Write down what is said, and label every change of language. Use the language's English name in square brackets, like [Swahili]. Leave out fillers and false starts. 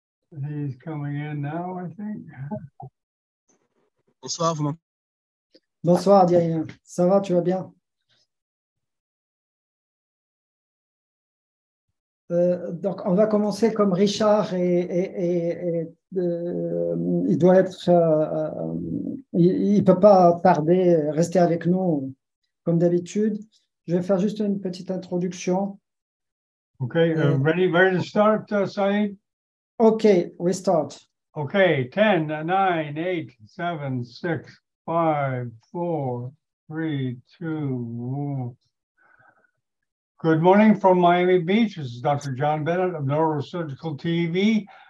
[English] He's coming in now, I think. [French] Bonsoir, vous m'entendez? Bonsoir, Adrian. Ça va, tu vas bien? Donc, on va commencer comme Richard et il doit être, il peut pas tarder, rester avec nous comme d'habitude. Je vais faire juste une petite introduction. [English] Okay, ready to start, Saeed? Okay, we start. Okay, 10, 9, 8, 7, 6, 5, 4, 3, 2, 1. Good morning from Miami Beach. This is Dr. John Bennett of Neurosurgical TV.